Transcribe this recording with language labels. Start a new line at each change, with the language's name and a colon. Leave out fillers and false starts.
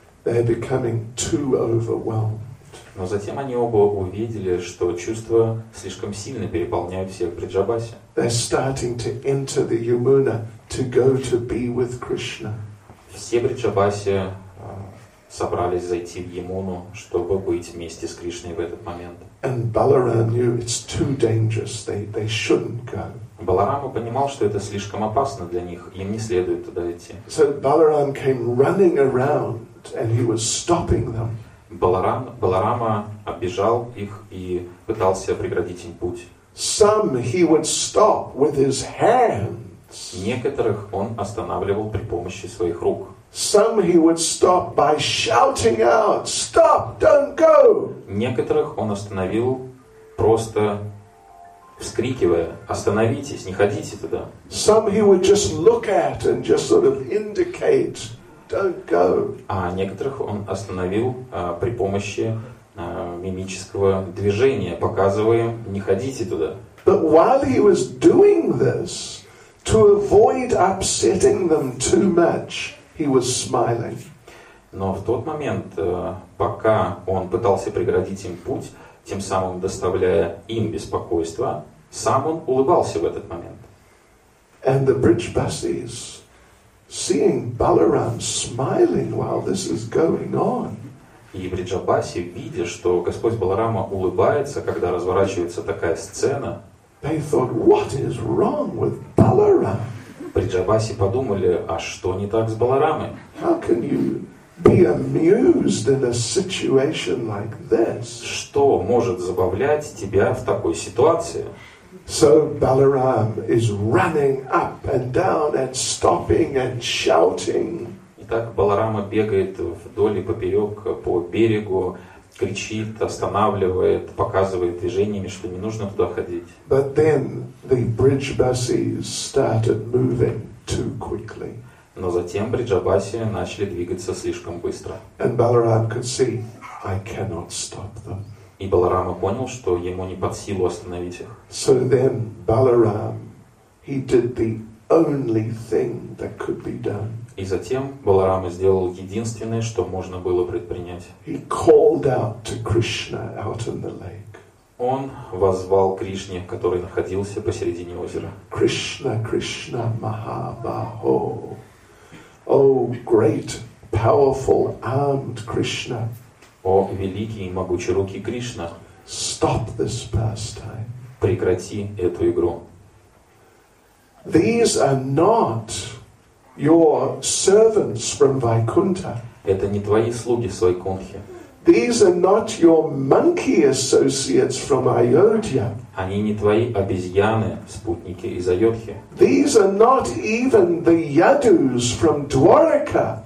English: They're becoming too overwhelmed.
Russian: Но затем они оба увидели, что чувства слишком сильно переполняют всех Бриджабаси.
English: They're starting to enter the Yamuna to go to be with Krishna.
Russian: Все Бриджабаси собрались зайти в Ямуну, чтобы быть вместе с Кришной в этот момент.
English: And Balaram knew it's too dangerous. They shouldn't go.
Russian: Баларама понимал, что это слишком опасно для них, им не следует туда идти.
English: So Balaram came running around, and he was stopping them.
Russian: Баларама оббежал их и пытался преградить им путь.
English: Some he would stop with his hands.
Russian: Некоторых он останавливал при помощи своих рук.
English: Some he would stop by shouting out, "Stop! Don't go!"
Russian: Некоторых он остановил просто вскрикивая, "Остановитесь! Не ходите туда!"
English: Some he would just look at and just sort of indicate.
Russian: А некоторых он остановил при помощи мимического движения, показывая «не ходите туда».
English: But while he was doing this, to avoid upsetting them too much, he was smiling.
Russian: Но в тот момент, пока он пытался преградить им путь, тем самым доставляя им беспокойство, сам он улыбался в этот момент.
English: And the bridge buses. Seeing Balaram smiling while this is going on.
Russian: И Бриджабаси, видя, что Господь Баларама улыбается, когда разворачивается такая сцена,
English: they thought, what is wrong with Balaram?
Russian: Бриджабаси подумали, а что не так с Баларамой?
English: How can you be amused in a situation like this?
Russian: Что может забавлять тебя в такой ситуации?
English: So Balaram is running up and down and stopping and shouting.
Russian: Итак, Баларама бегает вдоль и поперек по берегу, кричит, останавливает, показывает движениями, что не нужно туда ходить.
English: But then the bridge buses started moving too quickly.
Russian: Но затем бриджабаси начали двигаться слишком быстро.
English: And Balaram could see, I cannot stop them.
Russian: И Баларама понял, что ему не под силу остановить их.
English: So then Balaram, he did the only thing that could be done.
Russian: И затем Баларама сделал единственное, что можно было предпринять.
English: He called out to Krishna out on the lake.
Russian: Он воззвал Кришне, который находился посередине озера.
Sanskrit: Krishna, Krishna, Mahabaho.
English: О, great, powerful armed Krishna.
Russian: О, великий и могучий руки Кришна.
English: Stop this pastime.
Russian: Прекрати эту игру.
English: These are not your servants from Vaikuntha.
Russian: Это не твои слуги с Вайкунтхи.
English: These are not your monkey associates from Ayodhya.
Russian: Они не твои обезьяны, спутники из Айодхи.
English: These are not even the Yadus from Dwarka.